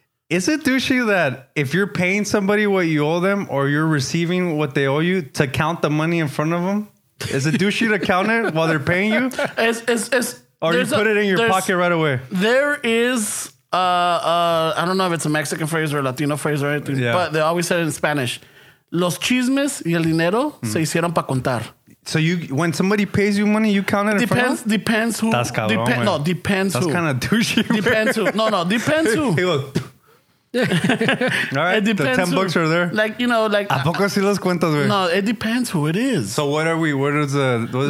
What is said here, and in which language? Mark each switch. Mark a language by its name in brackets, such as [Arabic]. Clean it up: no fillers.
[English] Is it douchey that if you're paying somebody what you owe them or you're receiving what they owe you to count the money in front of them? Is it douchey to count it while they're paying you? It's, or you put it in your pocket right away? There is, I don't know if it's a Mexican phrase or a Latino phrase or anything, yeah. But they always said it in Spanish. [Spanish] Los chismes y el dinero se hicieron para contar. [English] So you, when somebody pays you money, you count it. Depends. In front of? Depends who. That's cabrón, no, depends. That's who. That's kind of douchey. Depends who. No, no, depends who. He goes. All right. It depends. The 10 bucks are there. Like, you know, like. [Spanish] ¿A poco sí los cuentas, güey? [English] No, it depends who it is. So what are we? What is the? What is